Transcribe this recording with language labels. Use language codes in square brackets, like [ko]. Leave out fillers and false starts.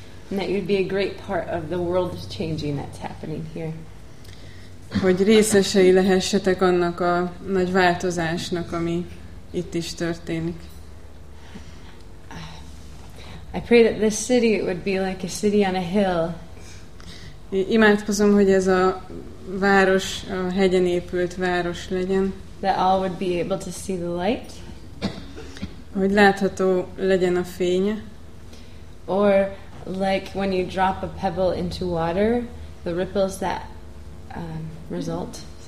[en] And that you'd be a great part of the world changing that's happening here. [hu] Hogy részesei lehessetek annak a nagy változásnak, ami itt is történik. [en] I pray that this city would be like a city on a hill. [hu] Imádkozom, hogy ez a város, a hegyen épült város legyen. [en] That all would be able to see the light. [hu] Hogy látható legyen a fény. [en] Or like when you drop a pebble into water, the ripples that result.